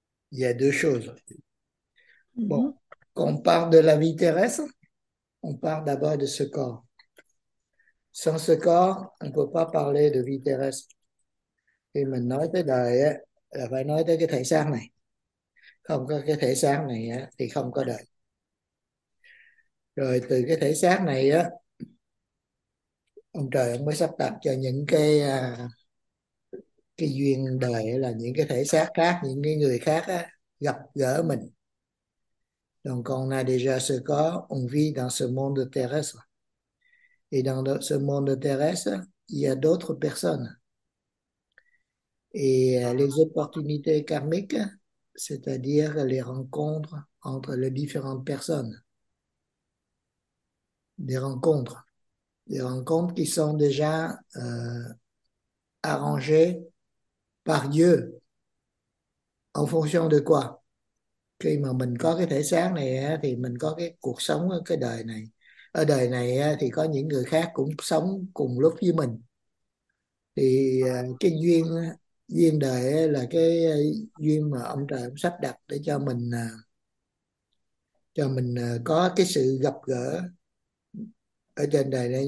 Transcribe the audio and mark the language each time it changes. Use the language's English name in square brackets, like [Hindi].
[French] Il y a deux choses. Bon. Quand on parle de la vie terrestre, on parle d'abord de ce corps. Sans ce corps, on ne peut pas parler de vie terrestre. [Vietnamese] Khi mình nói tới đời, là phải nói tới cái thể xác này. Không có cái thể xác này thì không có đời. Rồi từ cái thể xác này, ông trời ông mới sắp đặt cho những cái duyên đời, là những cái thể xác khác, những cái người khác gặp gỡ mình. [French] Donc on a déjà ce corps, on vit dans ce monde terrestre. Et dans ce monde terrestre, il y a d'autres personnes. Et les opportunités karmiques, c'est-à-dire les rencontres entre les différentes personnes. Des rencontres qui sont déjà arrangées par Dieu. En fonction de quoi? [Vietnamese] Khi mà mình có cái thể xác này thì mình có cái cuộc sống ở cái đời này. Ở đời này thì có những người khác cũng sống cùng lúc với mình. Thì cái duyên duyên đời là cái duyên mà ông trời ông sắp đặt để cho mình có cái sự gặp gỡ ở trên đời này.